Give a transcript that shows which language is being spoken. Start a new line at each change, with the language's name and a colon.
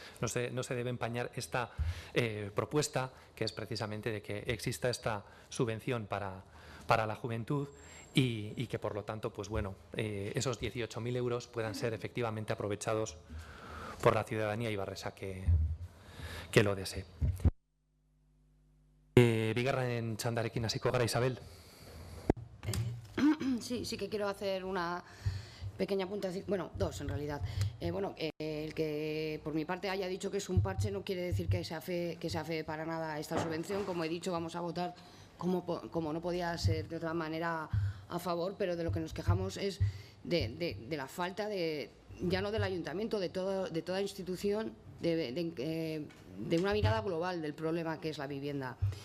Spanish: No se debe empañar esta propuesta, que es precisamente de que exista esta subvención para la juventud. Y que, por lo tanto, pues bueno, esos 18.000 euros puedan ser efectivamente aprovechados por la ciudadanía ibarresa que lo desee.
Basque: Bigarren txandarekin hasiko gara, Isabel.
Spanish: Sí que quiero hacer una pequeña puntuación, bueno, dos en realidad. El que por mi parte haya dicho que es un parche no quiere decir que sea fe para nada esta subvención. Como he dicho, vamos a votar como no podía ser de otra manera a favor, pero de lo que nos quejamos es de la falta de, ya no del ayuntamiento, de toda institución, de una mirada global del problema que es la vivienda.